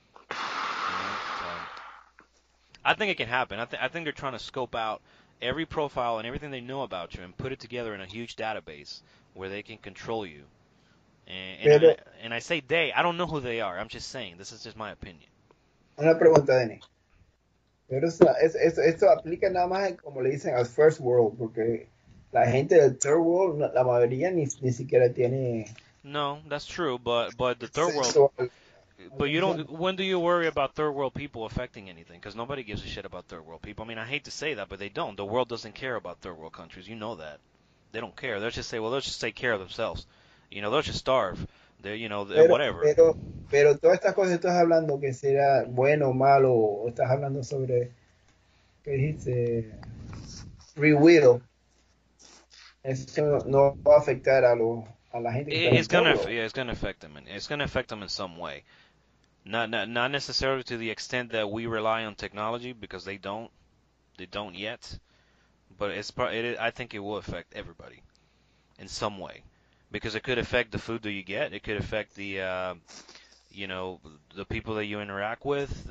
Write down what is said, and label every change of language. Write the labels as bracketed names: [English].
[English] You know? I think it can happen. I think they're trying to scope out every profile and everything they know about you and put it together in a huge database where they can control you. And I say they. I don't know who they are. I'm just saying. This is just my opinion. [Spanish] Una pregunta, Denny. Pero esto aplica nada más como le dicen al first world, porque la gente del third world, la mayoría ni siquiera tiene. [English] No, that's true. But the third world. But you don't. When do you worry about third world people affecting anything? Because nobody gives a shit about third world people. I mean, I hate to say that, but they don't. The world doesn't care about third world countries. You know that. They don't care. They'll just say, well, let's just take care of themselves. You know, they'll just starve. They, you know, [Spanish] pero, [English] whatever. [Spanish] Pero todas estas cosas estás hablando que será bueno o malo, o estás hablando sobre, ¿qué dijiste? Free will. Eso no va a afectar a la gente. [English] It's going to affect them. It's going to affect them in some way. Not necessarily to the extent that we rely on technology, because they don't. They don't yet. But I think it will affect everybody in some way. Because it could affect the food that you get. It could affect the, you know, the people that you interact with.